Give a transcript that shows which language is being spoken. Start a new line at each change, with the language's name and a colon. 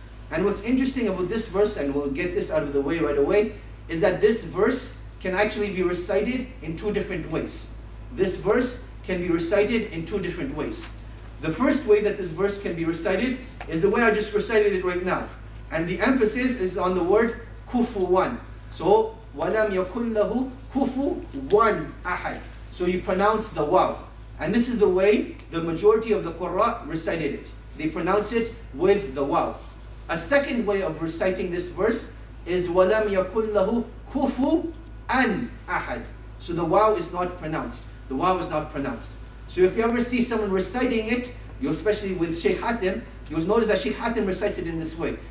English: And what's interesting about this verse, and we'll get this out of the way right away, is that this verse can actually be recited in two different ways. This verse can be recited in two different ways. The first way that this verse can be recited is the way I just recited it right now. And the emphasis is on the word kufuwan.
Arabic: So, وَلَمْ يَكُنْ لَهُ كُفُوًا أَحَدٌ.
English: So you pronounce the waw. And this is the way the majority of the Qurra recited it. They pronounce it with the waw. A second way of reciting this verse is
Arabic: وَلَمْ يَكُنْ لَهُ كُفُوًا أَحَدٌ.
English: So the waw is not pronounced. The waw is not pronounced. So if you ever see someone reciting it, especially with Sheikh Hatim, you'll notice that Sheikh Hatim recites it in this way.